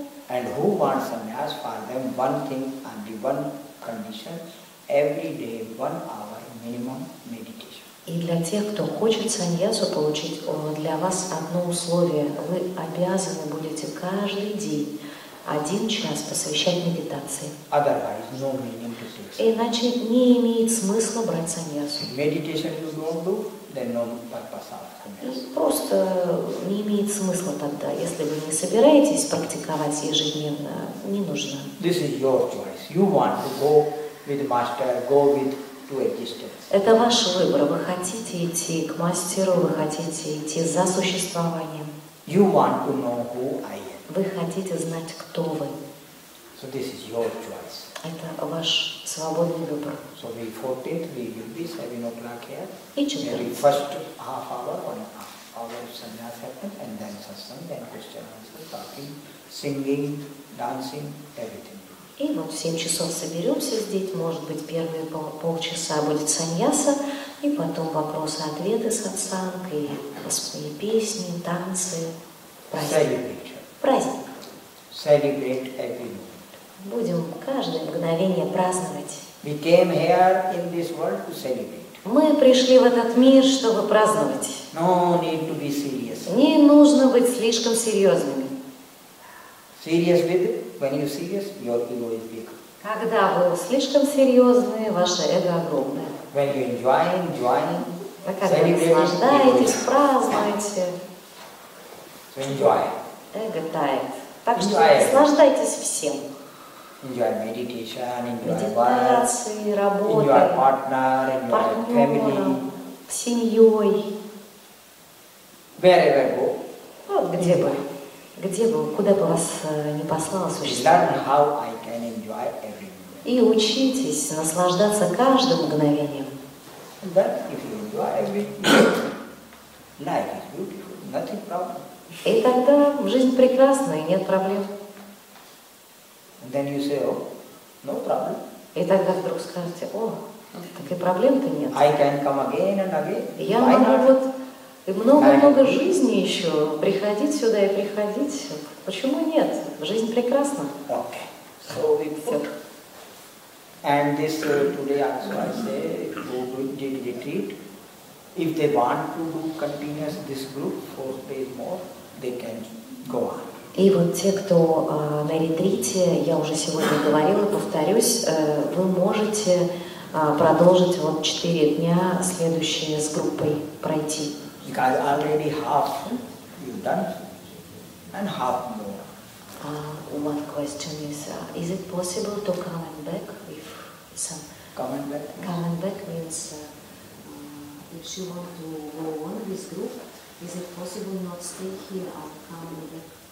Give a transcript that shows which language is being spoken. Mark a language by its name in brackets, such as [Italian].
[English] And who wants sannyas for them? One thing under one condition: every day 1 hour minimum meditation. [Russian] И для тех, кто хочет саньясу получить, для вас одно условие: вы обязаны будете каждый день 1 час посвящать медитации. [English] Otherwise, no meaning to take. [Russian] Иначе не имеет смысла брать саньясу. [English] Meditation you don't do, then no purpose of. [Russian] Просто не имеет смысла тогда, если вы не собираетесь практиковать ежедневно, не нужно. [English] This is your choice. You want to go with master, go with to a distance. [Russian] Это ваш выбор. Вы хотите идти к мастеру, вы хотите идти за существованием. [English] You want to know who I am. [Russian] Вы хотите знать, кто вы. [English] So this is your choice. [Russian] Это ваш свободный выбор. [English] So we 14, we will be 7 o'clock here. Each of them. First half hour, 1 hour of sannyas happen, and then satsang, then question answer, talking, singing, dancing, everything. [Russian] И вот в 7 часов соберемся здесь, может быть, первые полчаса будет саньяса, и потом вопросы-ответы сатсанг, и песни, танцы, праздник. Праздник. [English] Celebrate every moment. [Russian] Будем каждое мгновение праздновать. [English] We came here in this world to celebrate. [Russian] Мы пришли в этот мир, чтобы праздновать. [English] No need to be serious. [Russian] Не нужно быть слишком серьезными. [English] Serious with it. When you serious, your ego is big. [Russian] Когда вы слишком серьезные, ваше эго огромное. [English] When you enjoying, celebrate. [Russian] Когда вы наслаждаетесь, празднуете. [English] So enjoy. [Russian] Эго тает. Так что наслаждайтесь всем. [English] Enjoy meditation, enjoy [Russian] медитации, [English] work, [Russian] работы, [English] enjoy partner, enjoy [Russian] партнера, [English] family, [Russian] семьей. [English] Wherever go. [Russian] Вот где бы. Где бы, куда бы вас не послало существование. [English] Learn how I can enjoy every moment. [Russian] И учитесь наслаждаться каждым мгновением. [English] But if you enjoy every moment, life is beautiful, nothing problem. [Russian] И тогда жизнь прекрасна и нет проблем. [English] And then you say, oh, no problem. [Russian] И тогда вдруг скажете, о, так и проблем-то нет. [English] I can come again and again. [Russian] Я могу вот много-много жизни еще приходить сюда и приходить. Почему нет? Жизнь прекрасна. [English] Okay. So we put. And this today also I say, who did retreat, if they want to do continuous this group, 4 days more, they can go on. [Russian] И вот те, кто на ретрите, я уже сегодня говорила, повторюсь, вы можете продолжить вот 4 дня следующие с группой пройти. [English] Because already half you've done and half more. One question is it possible to come and back if some... Coming back? Yes. Coming back means if you want to go on this group, is it possible not stay here or come back?